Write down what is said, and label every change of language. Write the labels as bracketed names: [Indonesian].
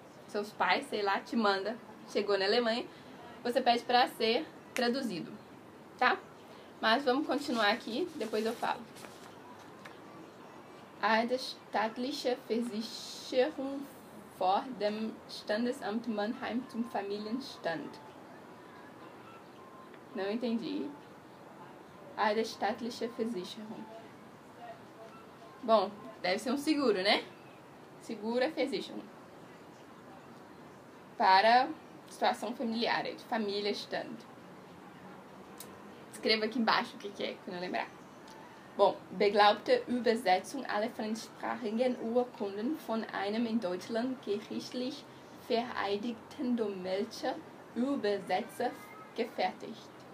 [Portuguese] Seus pais, sei lá, te manda. Chegou na Alemanha. Você pede pra ser traduzido. Tá? Mas vamos continuar aqui, depois eu falo. [German] Eine staatliche Versicherung vor dem Standesamt Mannheim zum Familienstand. [Portuguese] Não entendi. [German] Eine staatliche Versicherung. [Portuguese] Bom, deve ser um seguro, né? Seguro é Versicherung. Para situação familiar, de Familienstand. Escreva aqui embaixo o que é, para não lembrar. [German] Bom, beglaubte Übersetzung aller fremdsprachigen Urkunden von einem in Deutschland gerichtlich vereidigten Dolmetscher Übersetzer gefertigt.